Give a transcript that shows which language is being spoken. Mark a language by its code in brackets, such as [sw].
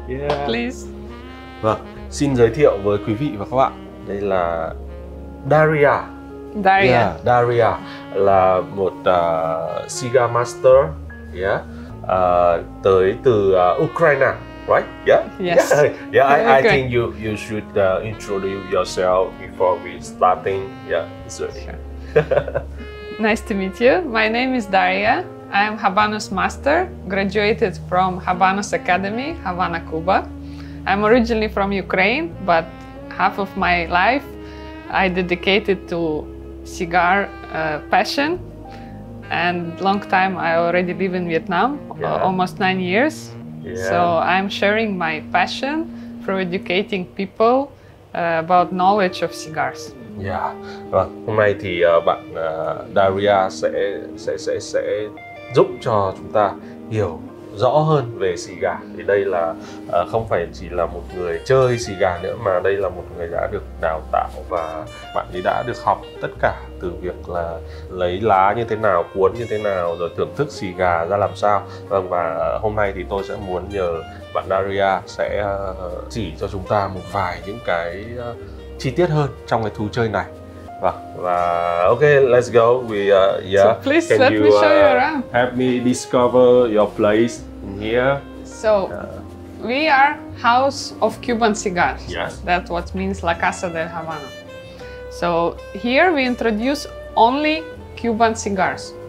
[en] Yeah. Please. [vi] Vâng, xin giới thiệu với quý vị và các bạn, đây là Daria. Daria. Yeah, Daria là một cigar master, yeah, tới từ Ukraine, right? [en] Yeah. Yes. Yeah, I think you should introduce yourself before we starting. Yeah, sorry. Sure. Nice to meet you. My name is Daria. I am Habanos Master, graduated from Habanos Academy, Havana, Cuba. I'm originally from Ukraine, but half of my life I dedicated to cigar passion. And long time I already live in Vietnam, yeah. Almost 9 years. Yeah. So I'm sharing my passion through educating people about knowledge of cigars. Yeah. [vi] Well, hôm nay thì bạn Daria sẽ giúp cho chúng ta hiểu rõ hơn về xì gà. Thì đây là không phải chỉ là một người chơi xì gà nữa, mà đây là một người đã được đào tạo và bạn ấy đã được học tất cả từ việc là lấy lá như thế nào, cuốn như thế nào, rồi thưởng thức xì gà ra làm sao. Và hôm nay thì tôi sẽ muốn nhờ bạn Daria sẽ chỉ cho chúng ta một vài những cái chi tiết hơn trong cái thú chơi này. Vâng, và [en] ok, let's go. We So please can let you, me show you around. Help me discover your place in here. So we are House of Cuban Cigars. Yes. That what means La Casa del Habano. So here we introduce only Cuban cigars.